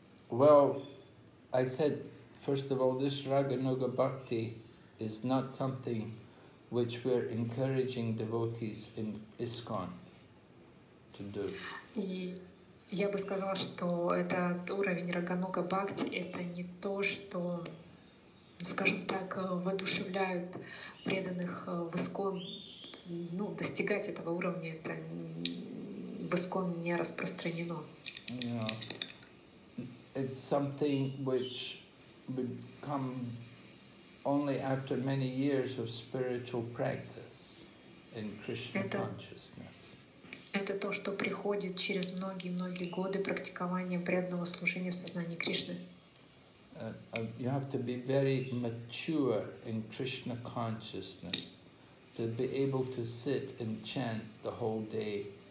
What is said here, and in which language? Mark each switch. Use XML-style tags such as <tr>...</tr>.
<en>Well, I said, first of all, this Raganuga Bhakti is not something which we're encouraging devotees in ISKCON to do.</en> <ru>Я бы сказала, что этот уровень Рагануга Бхакти — это не то, что, скажем так, воодушевляют преданных в ISKCON. Ну, достигать этого уровня — это в ISKCON не распространено.</ru> <en>It's something which would come only after many years of spiritual practice in Krishna consciousness.</en> <ru>Это то, что приходит через многие-многие годы практикования преданного служения в сознании Кришны.</ru> <en>You have to be very mature in Krishna consciousness to be able to sit and chant the whole day.</en>